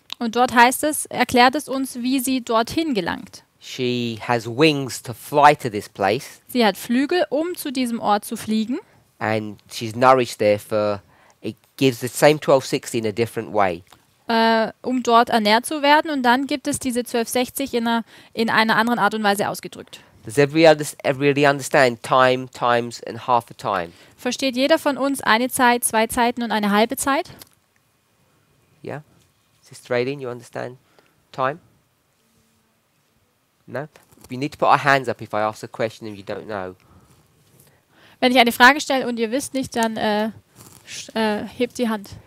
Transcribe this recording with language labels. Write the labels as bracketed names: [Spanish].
[German] Und dort heißt es, erklärt es uns, wie sie dorthin gelangt. [English] She has wings to fly to this place. [German] Sie hat Flügel, um zu diesem Ort zu fliegen. [English] And she's nourished there for it gives the same 1260 in a different way. [German] Um dort ernährt zu werden, und dann gibt es diese 1260 in einer anderen Art und Weise ausgedrückt. [English] Does everybody understand time, times and half a time? [German] Versteht jeder von uns eine Zeit, zwei Zeiten und eine halbe Zeit? [English] Yeah. Sister Aileen, you understand time? No? We need to put our hands up if I ask a question and you don't know. [German] Wenn ich eine Frage stelle und ihr wisst nicht, dann hebt die Hand.